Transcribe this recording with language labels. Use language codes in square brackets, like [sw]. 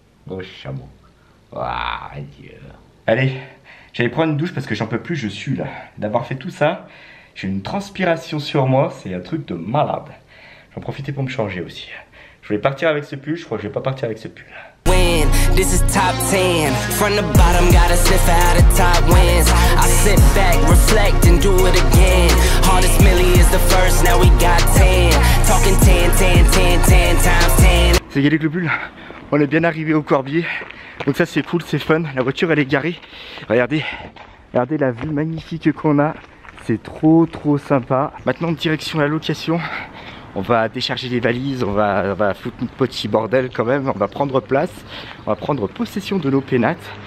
[fr] Oh, chameau. Oh, adieu. Allez, j'allais prendre une douche parce que j'en peux plus, je sue là. D'avoir fait tout ça, j'ai une transpiration sur moi, c'est un truc de malade. J'en profitais pour me changer aussi. Je voulais partir avec ce pull, je crois que je vais pas partir avec ce pull. [en] This is top 10. From the bottom, gotta sniff out the top wins. I sit back, reflect, and do it again. Hardest milli is the first, now we got 10. Talking 10, 10, 10, 10 times 10. [fr] C'est Yannick Le Bull. On est bien arrivé au Corbier. Donc, ça c'est cool, c'est fun. La voiture elle est garée. Regardez, regardez la vue magnifique qu'on a. C'est trop trop sympa. Maintenant, direction la location. On va décharger les valises, on va foutre notre petit bordel quand même, on va prendre place, on va prendre possession de nos pénates.